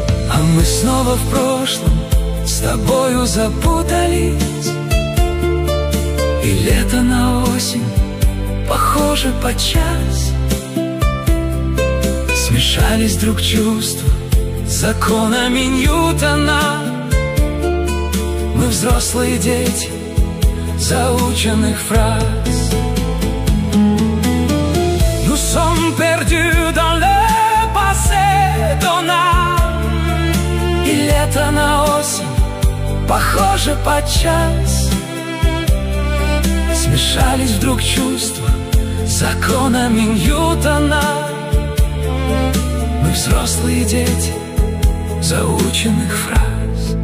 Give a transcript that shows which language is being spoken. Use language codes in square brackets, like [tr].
[ru] А мы снова в прошлом с тобою запутались, и лето на осень похоже подчас. Смешались вдруг чувства с законами Ньютона. Мы взрослые дети заученных фраз. [fr] Nous sommes perdus dans le passé, Donna. [ru] И лето на осень похоже подчас. Смешались вдруг чувства с законами Ньютона. Взрослые дети заученных фраз.